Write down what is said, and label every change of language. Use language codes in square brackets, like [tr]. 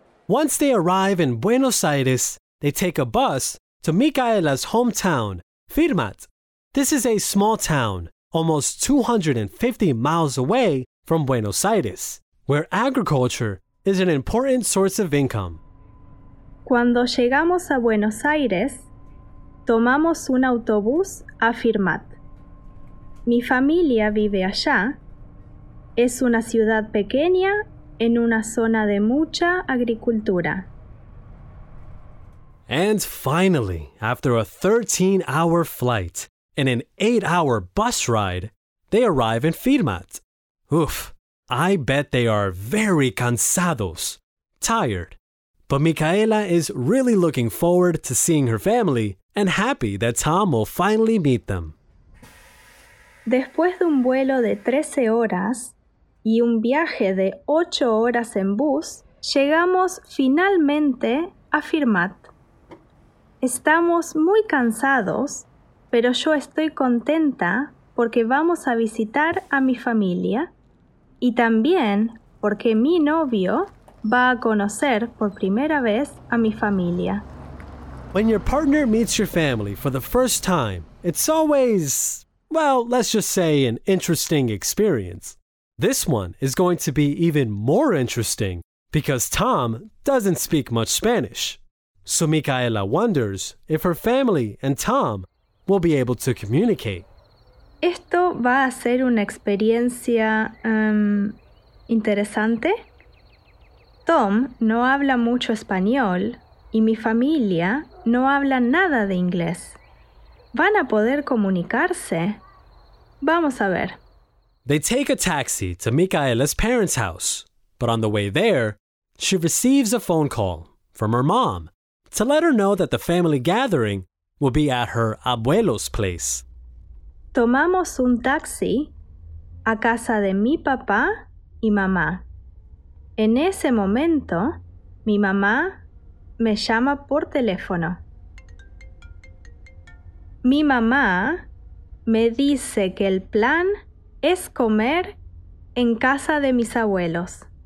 [en] Once they arrive in Buenos Aires, they take a bus to Micaela's hometown, Firmat. This is a small town, almost 250 miles away from Buenos Aires, where agriculture is an important source of income. [es] Cuando llegamos a Buenos Aires, tomamos un autobús a Firmat. Mi familia vive allá. Es una ciudad pequeña en una zona de mucha agricultura. [en] And finally, after a 13-hour flight and an 8-hour bus ride, they arrive in Firmat. Oof, I bet they are very cansados, tired. But Micaela is really looking forward to seeing her family and happy that Tom will finally meet them. [es] Después de un vuelo de 13 horas y un viaje de 8 horas en bus, llegamos finalmente a Firmat. Estamos muy cansados, pero yo estoy contenta porque vamos a visitar a mi familia y también porque mi novio va a conocer por primera vez a mi familia. [en] When your partner meets your family for the first time, it's always, well, let's just say an interesting experience. This one is going to be even more interesting because Tom doesn't speak much Spanish. So Micaela wonders if her family and Tom will be able to communicate. [es] ¿Esto va a ser una experiencia, interesante? Tom no habla mucho español y mi familia no habla nada de inglés. ¿Van a poder comunicarse? Vamos a ver. [en] They take a taxi to Micaela's parents' house, but on the way there, she receives a phone call from her mom to let her know that the family gathering will be at her abuelo's place. [es] Tomamos un taxi a casa de mi papá y mamá. En ese momento, mi mamá me llama por teléfono. Mi mamá me dice que el plan es comer en casa de mis abuelos.